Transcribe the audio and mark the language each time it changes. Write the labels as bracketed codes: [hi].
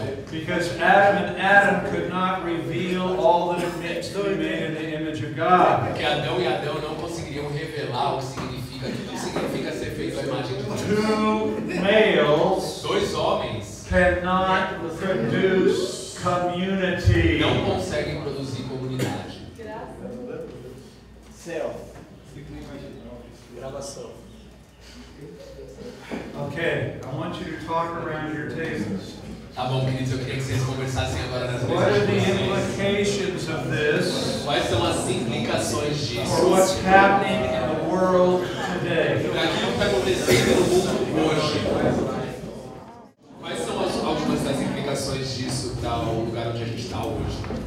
[en] Because Adam and Adam could not reveal all that it meant to be made in the image of God. [pt] Porque Adão e Adão não conseguiriam revelar o que significa, tudo significa ser feito à imagem de Deus. [en] Two males, [pt] dois homens, [en] cannot produce community. [pt] Não conseguem produzir comunidade. Graças a Deus. Céu. Gravação. [en] Okay, I want you to talk around your tables. [pt] Tá bom, queridos, eu queria que vocês conversassem agora nas mesas. Quais são as implicações disso? [en] For what's happening in the world today? [pt] Para aquilo que está acontecendo no mundo hoje. Quais são as, algumas das implicações disso para o lugar onde a gente está hoje?